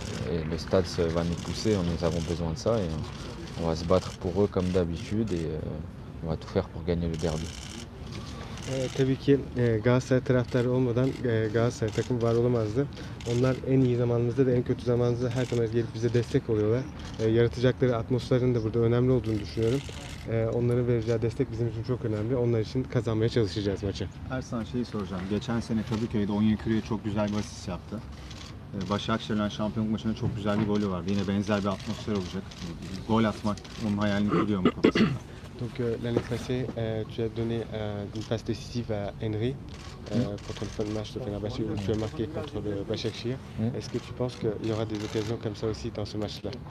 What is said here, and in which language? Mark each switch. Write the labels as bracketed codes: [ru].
[fr] Et le stade va nous pousser, nous avons besoin de ça. Et on va se battre pour eux comme d'habitude. Et on va tout faire pour gagner le derby. [tr] Tabii ki Galatasaray taraftarı olmadan Galatasaray takımı var olamazdı. Onlar en iyi zamanımızda da en kötü zamanımızda her zaman gelip bize destek oluyorlar. Yaratacakları atmosferin de burada önemli olduğunu düşünüyorum. Onların vereceği destek bizim için çok önemli. Onlar için kazanmaya çalışacağız maçı. Ersan, şeyi soracağım. Geçen sene Kadıköy'de Onyekuru'ya çok güzel bir asist yaptı. Başakşehir'le şampiyonluk maçında çok güzel bir golü var. Yine benzer bir atmosfer olacak. Gol atmak onun hayalini kuruyor mu kafasında? [fr] Donc l'année passée, tu as donné une passe décisive à Henry contre le match de Fenerbahçe où tu as marqué contre le Başakşehir. Est-ce que tu penses qu'il y aura des occasions comme ça aussi dans ce match-là?